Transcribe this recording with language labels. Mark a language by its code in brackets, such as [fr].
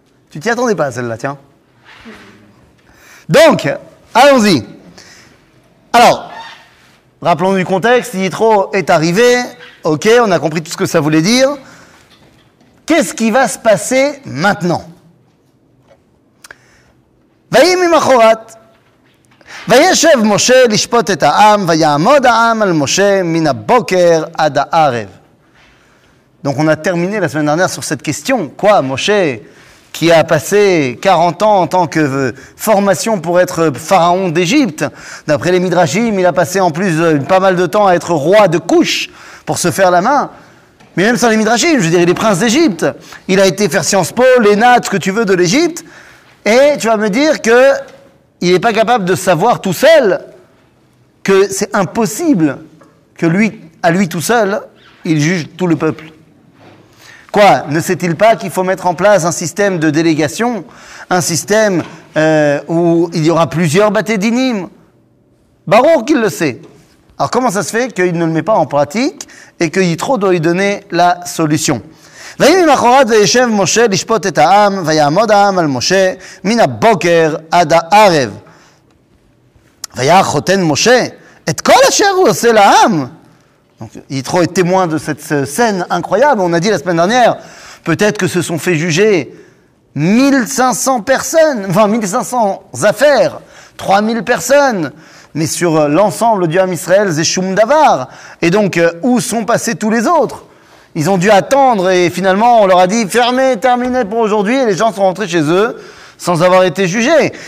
[fr] Tu t'y attendais pas, celle-là, tiens. Donc, allons-y. Alors, rappelons du contexte. Yitro est arrivé. Ok, on a compris tout ce que ça voulait dire. Qu'est-ce qui va se passer maintenant ? [he] ויהי ממחרת וישב משה לשפוט את העם ויעמוד העם על משה מן הבוקר עד הערב. [fr] Donc on a terminé la semaine dernière sur cette question. Quoi, Moshe qui a passé 40 ans en tant que formation pour être pharaon d'Égypte, d'après les Midrashim, il a passé en plus pas mal de temps à être roi de Kouch pour se faire la main. Mais même sans les Midrashim, je veux dire, il est prince d'Égypte. Il a été faire Sciences Po, l'ENA, ce que tu veux de l'Égypte. Et tu vas me dire qu'il n'est pas capable de savoir tout seul que c'est impossible que lui, à lui tout seul, il juge tout le peuple. Quoi ? Ne sait-il pas qu'il faut mettre en place un système de délégation, un système où il y aura plusieurs batei dinim ? Baruch qu'il le sait. Alors comment ça se fait qu'il ne le met pas en pratique et que Yitro doit lui donner la solution ? [he] ויהי ממחרת וישב משה לשפוט את העם ויעמוד העם על משה מן הבוקר עד הערב ויחותן משה את כל אשר הוא עושה לעם. [fr] Donc Yitro est témoin de cette scène incroyable. On a dit la semaine dernière peut-être que se sont fait juger 1500 personnes, enfin 1500 affaires, 3000 personnes, mais sur l'ensemble du Ham Israël Zeshum Davar. Et donc où sont passés tous les autres? Ils ont dû attendre et finalement on leur a dit fermé, terminé pour aujourd'hui, et les gens sont rentrés chez eux sans avoir été jugés.